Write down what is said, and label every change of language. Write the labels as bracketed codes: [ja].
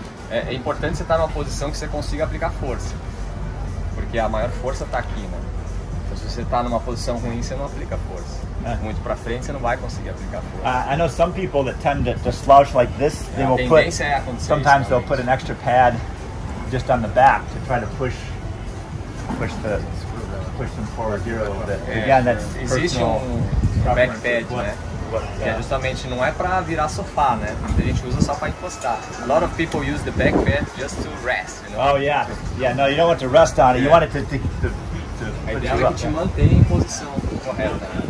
[pt] É importante você estar numa posição que você consiga aplicar força, porque a maior força está aqui, né? Então, se você está numa posição ruim, você não aplica força. Muito para frente, você não vai conseguir aplicar força. [en] I know some people that tend to slouch like this. They will put sometimes they'll put an extra pad just on the back to try to push them forward here a little bit. Again, that's [pt] existe back pad, né? Que é justamente, não é para virar sofá, né? A gente usa só para encostar. [en] A lot of people use the back pad just to rest, you know? Oh, yeah. Yeah, no, you don't want to rest on it. You want it to put you up. [pt] A ideia é que te mantém em posição correta.